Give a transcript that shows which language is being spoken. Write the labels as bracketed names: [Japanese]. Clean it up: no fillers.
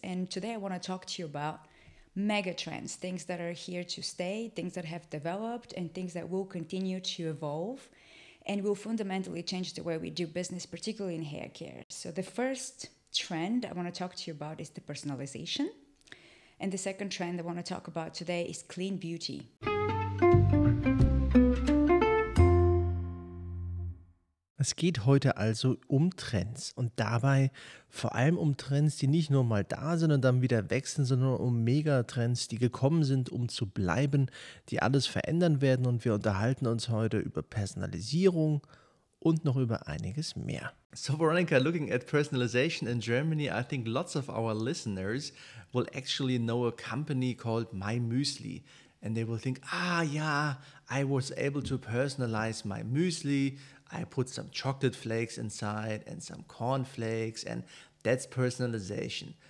[English] And today I want to talk to you about mega trends, things that are here to stay, things that have developed, and things that will continue to evolve. And will fundamentally change the way we do business, particularly in hair care. So the first trend I want to talk to you about is the personalization. And the second trend I want to talk about today is clean beauty. [German] Es geht heute also um Trends und dabei vor allem um Trends, die nicht nur mal da sind und dann wieder wechseln, sondern um Megatrends, die gekommen sind, um zu bleiben, die alles verändern werden. Und wir unterhalten uns heute über Personalisierung und noch über einiges mehr. [English] So Veronica, looking at personalization in Germany, I think lots of our listeners will actually know a company called My Müsli. And they will think, ah, yeah, I was able to personalize my Müsli. I put some chocolate flakes inside and some corn flakes, and that's personalization.